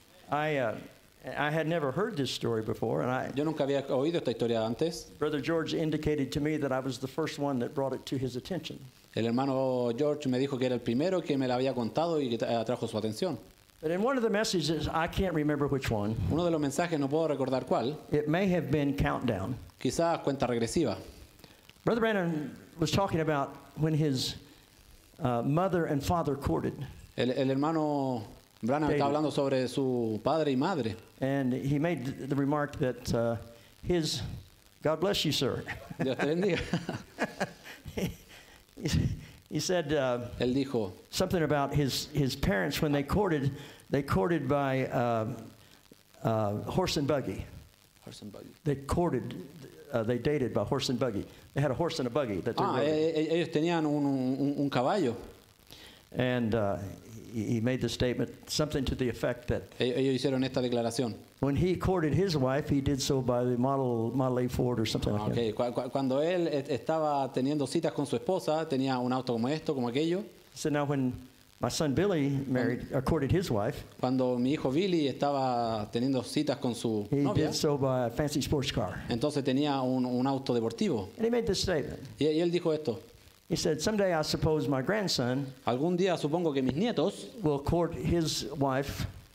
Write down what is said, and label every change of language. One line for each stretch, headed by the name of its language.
English: I had never heard this story before, and
Spanish: yo nunca había oído esta historia antes.
English: Brother George indicated to me that I was the first one that brought it to his attention.
Spanish: El hermano George me dijo que era el primero que me la había contado y que atrajo su atención.
English: But in one of the messages, I can't remember which one.
Spanish: Uno de los mensajes no puedo recordar cuál.
English: It may have been countdown.
Spanish: Quizás cuenta regresiva.
English: Brother Brandon was talking about when his mother and father courted.
Spanish: El hermano Branham estaba hablando sobre su padre y madre.
English: And he made the remark that God bless you, sir.
Spanish: Dios te bendiga.
English: He said
Spanish: él dijo
English: something about his parents when they courted by horse and buggy. Horse and buggy. They courted. They dated by horse and buggy. They had a horse and a buggy that they rode.
Spanish: Ellos tenían un caballo.
English: And he made the statement, something to the effect that
Spanish: ellos hicieron esta declaración.
English: When he courted his wife, he did so by the Model A Ford or something like okay. that.
Spanish: Okay, cuando él estaba teniendo citas con su esposa, tenía un auto como esto, como aquello.
English: So now when my son Billy married, courted his wife.
Spanish: Cuando mi hijo Billy estaba teniendo citas con su
English: he
Spanish: novia.
English: He did so by a fancy sports car.
Spanish: Entonces tenía un auto deportivo.
English: And he made this statement.
Spanish: Y él dijo esto.
English: He said, "Someday I suppose my grandson
Spanish: algún día supongo que mis nietos
English: will court his wife